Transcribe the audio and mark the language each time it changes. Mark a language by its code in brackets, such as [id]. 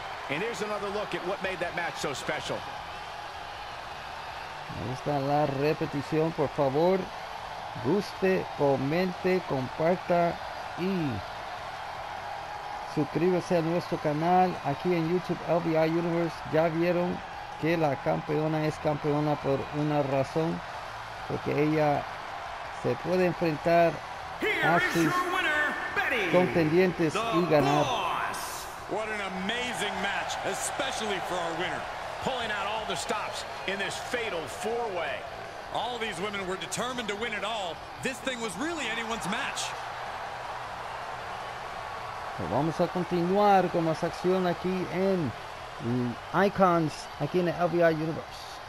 [en] And here's another look at what made that match so special. [es] Ahí está la repetición, por favor. Guste, comente, comparta y suscríbase a nuestro canal aquí en YouTube LVI Universe. Ya vieron que la campeona es campeona por una razón, porque ella se puede enfrentar a sus contendientes y ganar. [en] What an amazing match, especially for our winner, pulling out all the stops in this fatal four-way. All these women were determined to win it all. This thing was really anyone's match. [es] Vamos a continuar con más acción aquí en Icons, aquí en el LVI Universe.